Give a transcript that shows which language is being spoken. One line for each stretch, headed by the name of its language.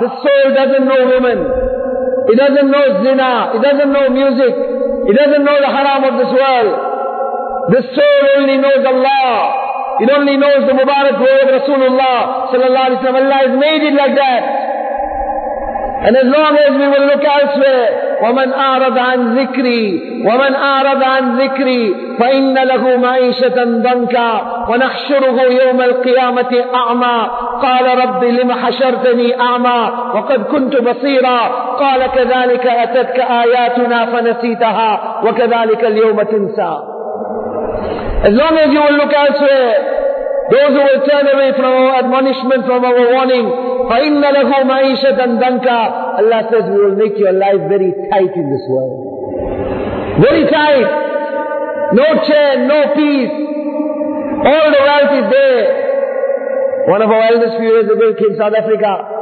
English: This soul doesn't know women. It doesn't know zina, it doesn't know music, it doesn't know the haram of this world. This soul only knows Allah. It only knows the Mubarak word Rasulullah
Arabic: sallallahu alaihi wasallam.
English: Allah has made it like that. And as long as we will look elsewhere,
Arabic: وَمَنْ أَعْرَضَ عَنْ ذِكْرِي وَمَنْ أَعْرَضَ عَنْ ذِكْرِي فَإِنَّ لَهُ مَعِيشَةً ضَنْكَا وَنَحْشُرُهُ يَوْمَ الْقِيَامَةِ أَعْمَى قَالَ رَبِّ لِمَ حَشَرْتَنِي أَعْمَى وَقَدْ كُنْتُ بَصِيرًا قَالَ كَذَلِكَ أَتَتْكَ آيَاتُنَا فَنَسِيتَهَا وَكَذَلِكَ الْيَوْمَ تُنْسَى.
English: As long as you will look elsewhere, those who will turn away from our admonishment, from our warning,
Arabic: فَإِنَّ لَهُ مَعِيشَةً ضَنْكَا.
English: Allah says, we will make your life very tight in this world. Very tight. No chain, no peace. All the wealth is there. One of our eldest few years ago came to South Africa.